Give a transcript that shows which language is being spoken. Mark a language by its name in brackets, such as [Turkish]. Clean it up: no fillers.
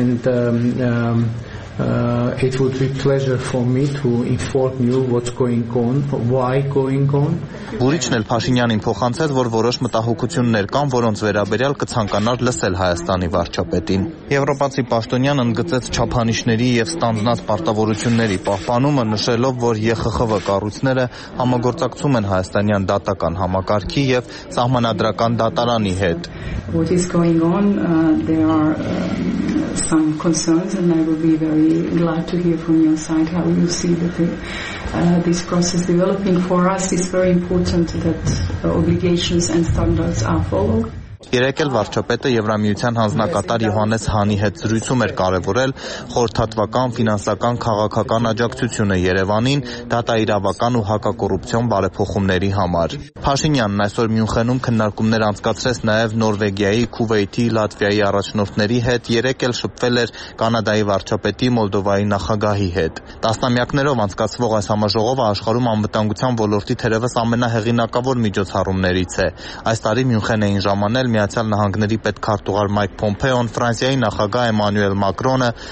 [English] It would be pleasure for me to inform you what's going on, why going on. [Armenian] Բուրիչն էլ Փաշինյանին փոխանցեց, որ որոշ մտահոգություններ կան, որոնց վերաբերյալ կցանկանար լսել Հայաստանի վարչապետին։ Եվրոպացի պաշտոնյան ընդգծեց չափանիշների եւ ստանդնած պարտավորությունների պահպանումը, նշելով, որ ԵԽԽՎ կառույցները համագործակցում են հայաստանյան դատական համակարգի եւ սահմանադրական դատարանի հետ։ [English] What is going on? There are some concerns, and I will be very glad to hear from your side how you see that this process developing. For us, it's very important that obligations and standards are followed. [Armenian] Երեկ էլ վարչապետը Եվրամիության հանձնակատար Յոհանես Հանի հետ զրույցում էր կարևորել խորհրդատվական ֆինանսական քաղաքական աջակցությունը Երևանին դատաիրավական ու հակակոռուպցիոն բարեփոխումների համար։ Փաշինյանն այսօր Մյունխենում քննարկումներ անցկացրեց նաև Նորվեգիայի, Քուվեյթի, Լատվիայի առաջնորդների հետ, երեկ էլ շփվել էր Կանադայի վարչապետի, Մոլդովայի նախագահի հետ։ Տասնամյակներով անցկացվող այս համաժողովը աշխարհում անվտանգության ոլորտի թերևս ամենահեղինակավոր միջոցառումներից է։ Այս տարի Մյունխենային ժամանակ Միացյալ Նահանգների պետքարտուղար Մայք Փոմպեոն, Ֆրանսիայի նախագահ Էմանուել Մակրոնը,